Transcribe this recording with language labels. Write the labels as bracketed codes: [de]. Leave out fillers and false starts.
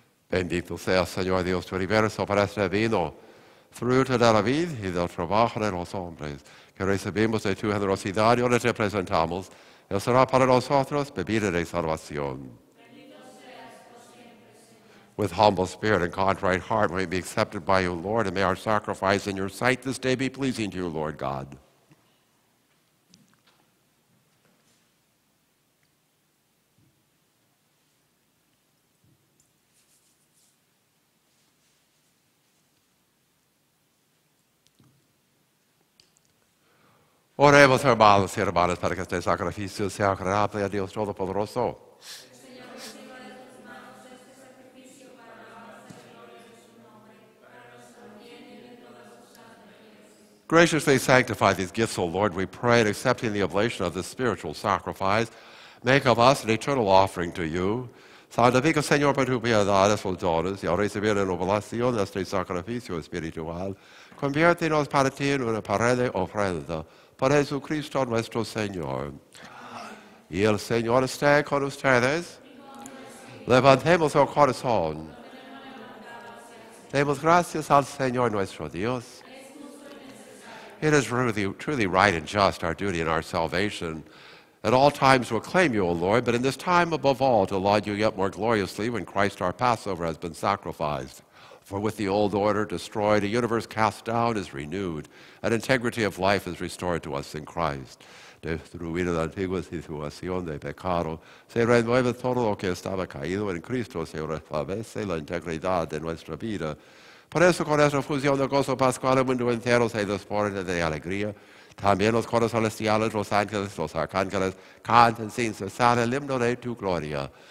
[es] Bendito sea, Señor Dios, tu universo, para este vino, fruto de la vid y del trabajo de los hombres, que recibimos de tu generosidad y donde te presentamos, él será para nosotros bebida de salvación. [en] With humble spirit and contrite heart, may we be accepted by you, Lord, and may our sacrifice in your sight this day be pleasing to you, Lord God. [es] Oremos, hermanos y hermanas, para que este sacrificio sea agradable a Dios Todopoderoso. Señor, reciba de tus manos este sacrificio para la gloria de su nombre, para nuestro bien y de [en] Graciously sanctify these gifts, O Lord, we pray, and accepting the oblation of this spiritual sacrifice, make of us an eternal offering to you. [es] Santifica, Señor, por tu piedad, sus dones, y recibir en oblación este sacrificio espiritual. Conviértenos para ti en una pared de ofrenda, por Jesucristo nuestro Señor. Y el Señor esté con ustedes. Levantemos el corazón. Demos gracias al Señor nuestro Dios. [en] It is really, truly right and just, our duty and our salvation, at all times to acclaim you, O Lord, but in this time above all to laud you yet more gloriously when Christ our Passover has been sacrificed. For with the old order destroyed, a universe cast down is renewed, and integrity of life is restored to us in Christ. [es] Destruida la antigua situación de pecado, se renueve todo lo que estaba caído en Cristo, se restablece la integridad de nuestra vida. Por eso, con esta fusión del gozo pascual, el mundo entero se desborda de alegría. También los coros celestiales, los ángeles, los arcángeles, canten sin cesar el himno de tu gloria.